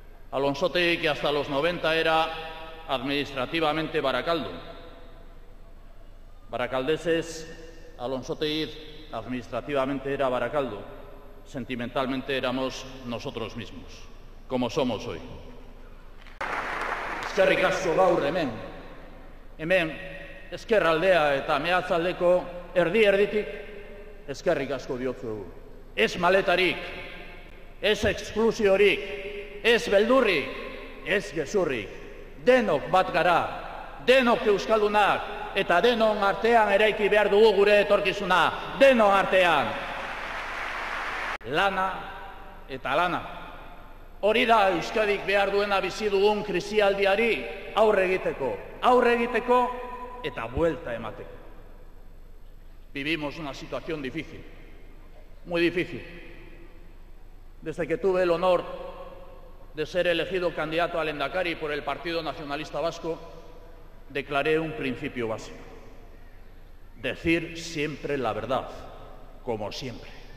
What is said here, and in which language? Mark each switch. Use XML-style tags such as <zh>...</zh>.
<es>Alonsotegi, que hasta los 90 era administrativamente Baracaldo. Baracaldeses, Alonsotegi administrativamente era Baracaldo. Sentimentalmente éramos nosotros mismos, como somos hoy.</es> <eu>Eskerrik asko gaur hemen. Hemen, Ezkerraldea eta Meatzaldeko erdi-erditik eskerrik asko diotzuegu. Ez maletarik, ez eksklusiorik, ez beldurrik, ez gezurrik. Denok bat gara, denok euskaldunak, eta denon artean eraiki behar dugu gure etorkizuna. Denon artean. Lana eta lana. Hori da Euskadik behar duena bizi dugun krisialdiari aurre egiteko eta buelta emateko.</eu> <es>Vivimos una situación difícil, muy difícil. Desde que tuve el honor de ser elegido candidato al Lehendakari por el Partido Nacionalista Vasco, declaré un principio básico. Decir siempre la verdad, como siempre.</es>